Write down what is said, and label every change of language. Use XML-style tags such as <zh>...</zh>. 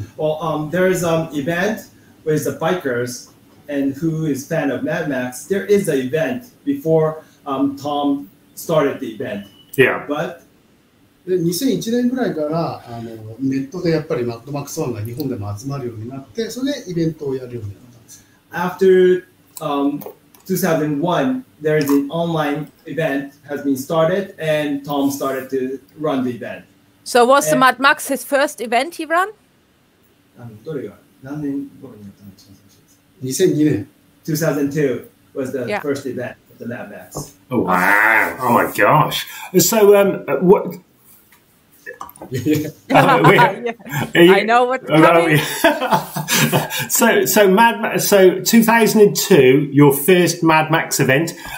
<en>Well, there is an event with the bikers and who is fan of Mad Max. There is an event before Tom started the event. Yeah. But,</en> <ja>で2001年ぐらいからネットでやっぱりマッドマックスワンが日本でも集まるようになって、それでイベントをやるようになったんです。</ja> <en>After 2001, there is an online event has been started, and Tom started to run the event. So was the Mad Max his first event he ran?</en> <ja>どれが何年頃にやったの？2002年。</ja> <en>2002 was the first event of the Mad Max. Oh wow! Oh my gosh! So what? I know what's coming. so Mad Max, so 2002, your first Mad Max event.</en>